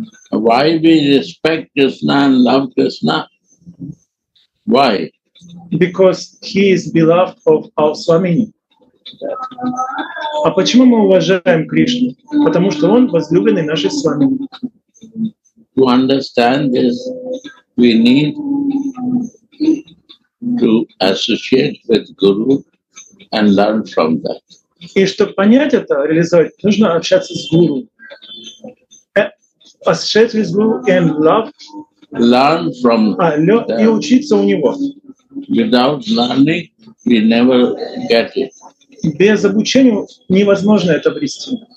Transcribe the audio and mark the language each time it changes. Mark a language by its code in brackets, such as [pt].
[en] Why we respect Krishna and love Krishna? Why? Because he is beloved of our Swamini. [ru] А почему мы уважаем Кришну? Потому что он возлюбленный нашей Свамини. [en] To understand this, we need to associate with Guru and learn from that. [ru] И чтобы понять это, реализовать, нужно общаться с Гуру. [en] Associate with Guru and love. Learn from [ru] И учиться у него. [en] Without learning, we never get it. [ru] Без обучения невозможно это обрести.